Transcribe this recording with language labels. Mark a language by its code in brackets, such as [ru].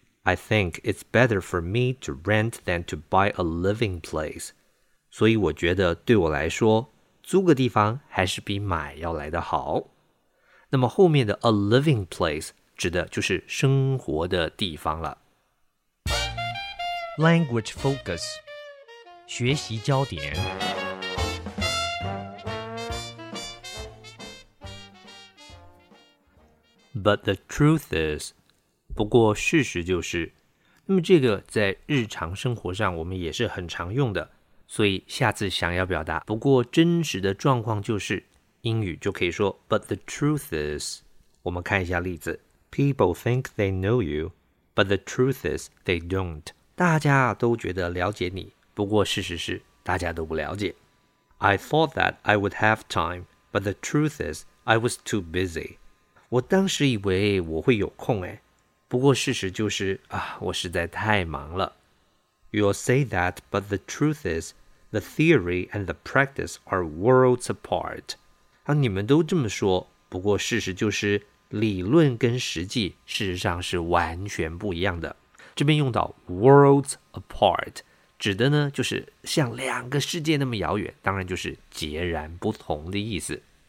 [en] I think it's better for me to rent than to buy a living place. [zh] 所以我觉得对我来说，租个地方还是比买要来得好。那么后面的 a living place 指的就是生活的地方了。 [en] Language focus. 学习焦点 But the truth is [zh] 不过事实就是那么这个在日常生活上我们也是很常用的所以下次想要表达不过真实的状况就是英语就可以说 But the truth is 我们看一下例子 [en] People think they know you But the truth is they don't [zh] 大家都觉得了解你不过事实是大家都不了解。 [en] I thought that I would have time, but the truth is I was too busy. [zh] 我当时以为我会有空哎，不过事实就是啊，我实在太忙了。 [en] You'll say that, but the truth is the theory and the practice are worlds apart. [zh] 啊，你们都这么说，不过事实就是理论跟实际事实上是完全不一样的。这边用到 worlds apart。指的呢就是像两个世界那么遥远当然就是截然不同的意思